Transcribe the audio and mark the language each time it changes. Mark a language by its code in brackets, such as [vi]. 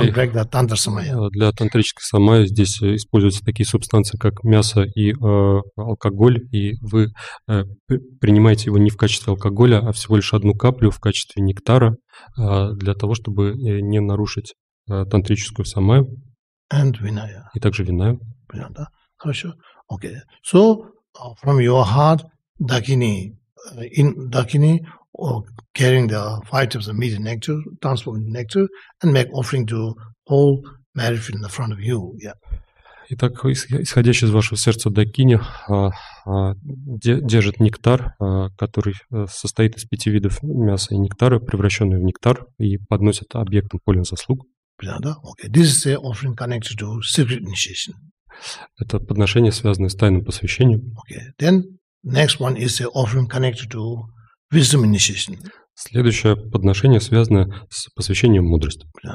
[ru] Для тантрической самая здесь используются такие субстанции, как мясо и алкоголь, и вы принимаете его не в качестве алкоголя, а всего лишь одну каплю в качестве нектара для того, чтобы не нарушить тантрическую самаю и также виная. Понятно, да? Хорошо. [en] Okay. So, from your heart, dakini, in dakini, or carrying the five types of meat and nectar, transforming the nectar, and make offering to all merit in the front of you. Yeah. [ru] Итак, исходящий из вашего сердца дакини держит нектар, который состоит из пяти видов мяса и нектара, превращенный в нектар, и подносит объектам полен заслуг. [en] Okay. This is the offering connected to secret initiation. [ru] Это подношение, связанное с тайным посвящением. [en] Okay. Then next one is the offering connected to wisdom initiation. [ru] Следующее подношение связано с посвящением мудрости.